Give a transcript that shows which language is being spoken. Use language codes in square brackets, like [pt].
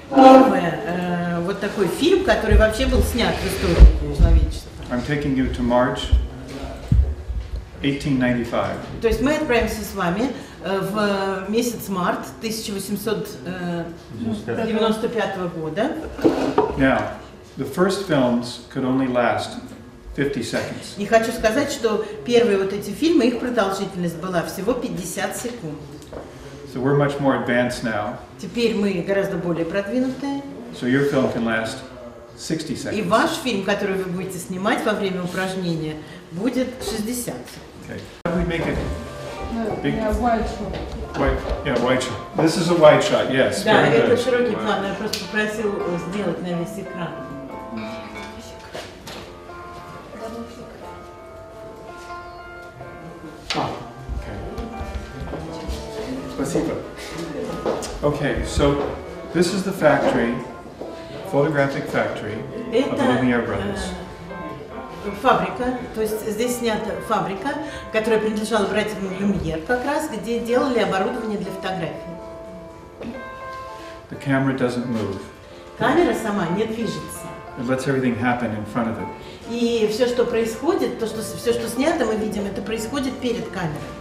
[ru] Первый вот такой фильм, который вообще был снят в истории человечества. [en] I'm taking you to March 1895. [ru] То есть мы отправимся с вами в месяц март 1895 года. [en] Now, the first films could only last 50 seconds. [ru] И хочу сказать, что первые вот эти фильмы, их продолжительность была всего 50 секунд. [en] So we're much more advanced now. [ru] Теперь мы гораздо более продвинутые. [en] So your film can last 60 seconds. [ru] И ваш фильм, который вы будете снимать во время упражнения, будет 60. [en] Okay. How do we make it? Big? Yeah, wide shot. Wide shot. This is a wide shot. Yes. Да, very это good. Широкий wow. [ru] план. Я просто попросил сделать на весь экран. [en] Okay, so this is the factory, photographic factory of the Lumiere brothers. [ru] Фабрика, то есть здесь снята фабрика, которая принадлежала братьям Люмьер как раз, где делали оборудование для фотографии. [en] The camera doesn't move. [ru] Камера сама не движется. [en] It lets everything happen in front of it. [ru] И все, что происходит, то что все, что снято, мы видим, это происходит перед камерой.